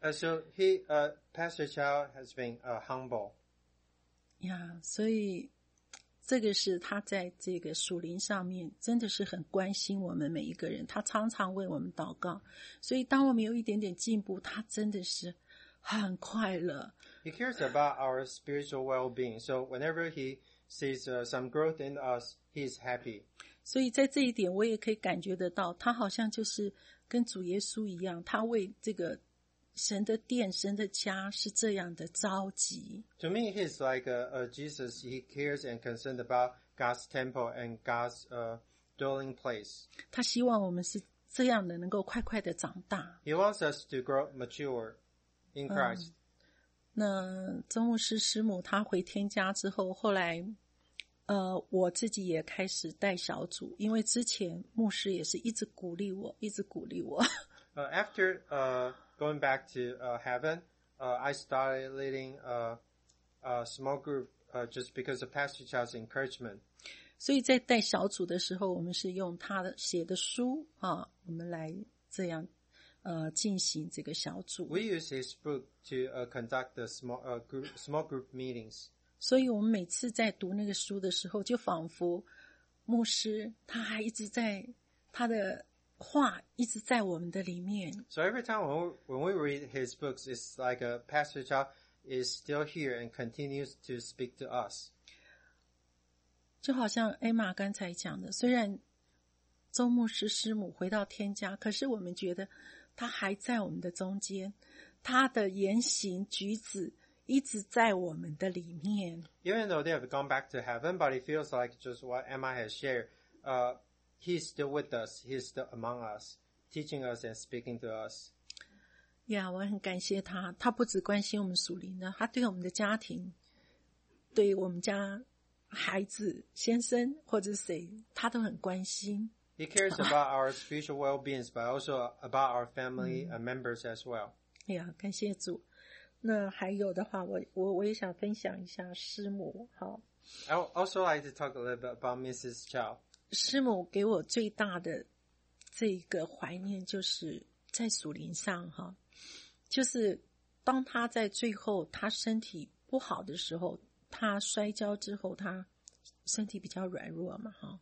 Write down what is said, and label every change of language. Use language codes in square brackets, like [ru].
[en] So he, Pastor Chow has been humble. [zh] Yeah, 所以这个是他在这个属灵上面真的是很关心我们每一个人，他常常为我们祷告，所以当我们有一点点进步他真的是很快乐。 [en] He cares about our spiritual well-being, so whenever he sees some growth in us,He's happy. [zh] 所以在这一点我也可以感觉得到他好像就是跟主耶稣一样，他为这个神的殿神的家是这样的着急。 [en] To me he's like Jesus. He cares and concerned about God's temple and God's dwelling place. [zh] 他希望我们是这样的能够快快的长大。 [en] He wants us to grow mature in Christ. [zh] 那周牧师师母他回天家之后，后来我自己也开始带小组，因为之前牧师也是一直鼓励我，一直鼓励我。 [en] After going back to heaven, I started leading a small group just because of Pastor Chow's encouragement. [zh] 所以在带小组的时候，我们是用他写的书啊，我们来这样进行这个小组。 [en] We use his book to conduct the small group meetings. [zh] 所以我们每次在读那个书的时候，就仿佛牧师他还一直在他的话一直在我们的里面。 [en] So every time when we read his books, it's like a Pastor Chow is still here and continues to speak to us. [zh] 就好像 Emma 刚才讲的，虽然周牧师师母回到天家，可是我们觉得他还在我们的中间，他的言行举止一直在我们的里面。 [en] Even though they have gone back to heaven, but it feels like just what Emma has shared, he's still with us, he's still among us, teaching us and speaking to us. [zh] Yeah, 我很感谢他，他不只关心我们属灵的，他对我们的家庭，对我们家孩子、先生或者谁，他都很关心。 [en] He cares about our spiritual well-beings, but also about our family members as well. [zh] Yeah, 感谢主。那还有的话我也想分享一下师母。好， [en] I also like to talk a little bit about Mrs. Chow. [zh] 师母给我最大的这个怀念就是在属灵上，就是当他在最后他身体不好的时候，他摔跤之后他身体比较软弱嘛。